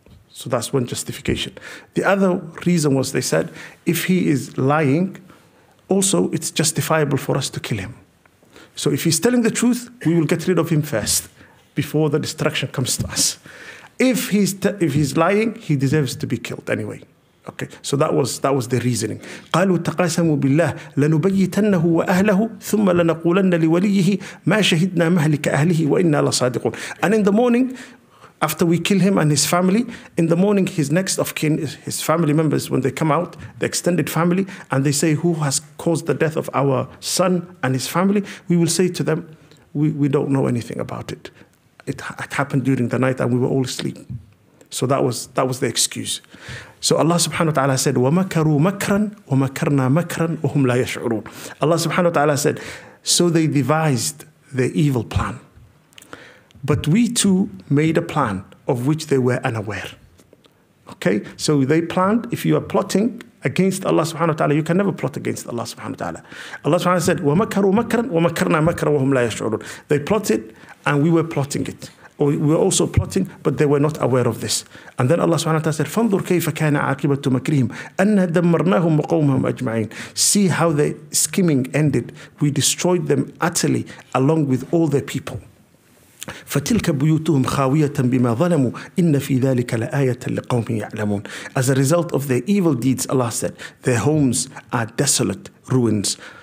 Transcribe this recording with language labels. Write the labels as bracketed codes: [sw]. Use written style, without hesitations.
[en] So that's one justification. The other reason was, they said, if he is lying, also it's justifiable for us to kill him. So if he's telling the truth, we will get rid of him first before the destruction comes to us. If he's lying, he deserves to be killed anyway. Okay, so that was the reasoning. [ar] قالوا تقاسموا بالله لنبيتنه وأهله ثم لنقولن لوليه ما شهدنا مهلك أهله وإنا لصادقون. [en] And in the morning, after we kill him and his family, in the morning his next of kin, his family members, when they come out, the extended family, and they say, who has caused the death of our son and his family? We will say to them, we don't know anything about it. It happened during the night and we were all asleep. So that was the excuse. So Allah subhanahu wa ta'ala said, [ar] وَمَكَرُوا مَكْرًا وَمَكَرْنَا مَكْرًا وَهُمْ لَا يَشْعُرُونَ. [en] Allah subhanahu wa ta'ala said, so they devised their evil plan, but we too made a plan of which they were unaware. Okay, so they planned. If you are plotting against Allah subhanahu wa ta'ala, you can never plot against Allah subhanahu wa ta'ala. Allah subhanahu wa ta'ala said, [ar] وَمَكَرُوا مَكْرًا وَمَكَرْنَا مَكْرًا وَهُمْ لَا يَشْعُرُونَ. [en] They plotted and we were plotting it. We were also plotting, but they were not aware of this. And then Allah subhanahu wa ta'ala said, [ar] فَانْظُرْ كَيْفَ كَانَ عَاقِبَةُ مَكْرِهِمْ أَنَّ دَمَّرْنَاهُمْ وَقَوْمَهُمْ أَجْمَعِينَ. [en] See how the scheming ended. We destroyed them utterly along with all their people. [ar] فَتِلْكَ بُيُوتُهُمْ خَاوِيَةً بِمَا ظَلَمُوا إِنَّ فِي ذَلِكَ لَآيَةً لِقَوْمٍ يَعْلَمُونَ. [en] As a result of their evil deeds, Allah said, their homes are desolate ruins.